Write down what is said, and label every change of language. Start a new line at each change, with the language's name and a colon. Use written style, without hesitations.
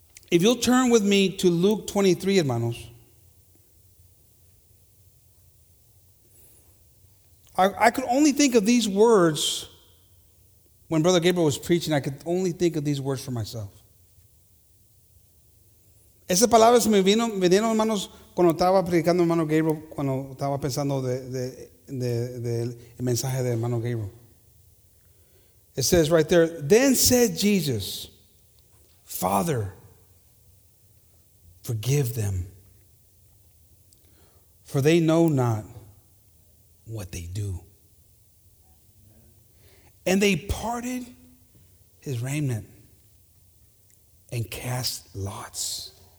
English: If you'll turn with me to Luke 23, hermanos. I could only think of these words when Brother Gabriel was preaching. I could only think of these words for myself.
Spanish: Esas palabras me vinieron, hermanos, cuando estaba predicando hermano Gabriel, cuando estaba pensando del mensaje de hermano Gabriel.
English: It says right there, then said Jesus, Father, forgive them, for they know not what they do. And they parted his raiment and cast lots.